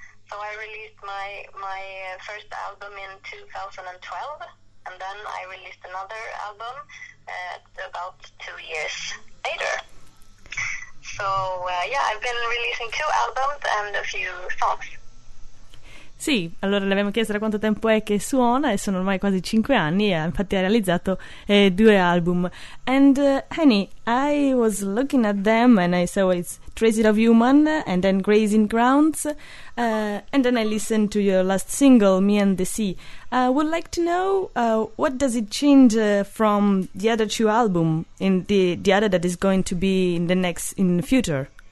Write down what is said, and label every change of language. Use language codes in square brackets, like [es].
[en] So I released my first album in 2012, and then I released another album about 2 years later. So yeah, I've been releasing 2 albums and a few songs. [it] Sì, allora le abbiamo chiesto da quanto tempo è che suona e sono ormai quasi 5 anni e infatti ha realizzato 2 album. [en] And Annie, I was looking at them and I saw it's Traces of Human and then Grazing Grounds and then I listened to your last single, Me and the Sea. I would like to know what does it change from the other 2 albums in the other that is going to be in the next, in the future?